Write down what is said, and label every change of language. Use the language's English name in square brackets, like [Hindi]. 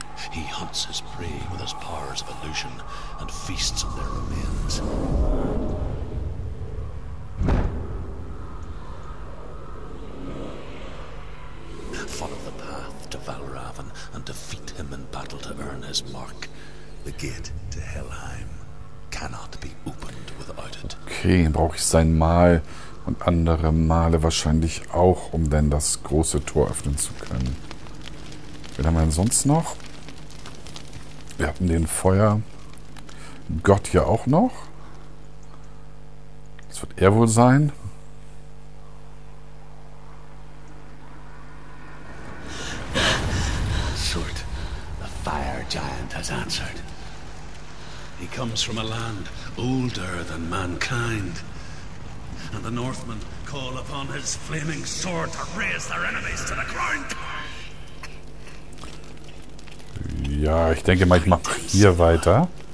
[English] He hunts his prey with his powers of illusion and feasts on their remains. Follow the path to Valraven and defeat him in battle to earn his mark. The gate to Helheim cannot be opened without it. [German] Okay, dann brauche ich sein Mal und andere Male wahrscheinlich auch, um dann das große Tor öffnen zu können. Wen haben wir denn sonst noch? Wir hatten den Feuergott hier auch noch. Das wird er wohl sein. [English] Sort, the fire giant has answered. He comes from a land older than mankind. And the Northmen call upon his flaming sword to raise their enemies to the ground. [German] Ja, ich denke mal, ich mache hier weiter.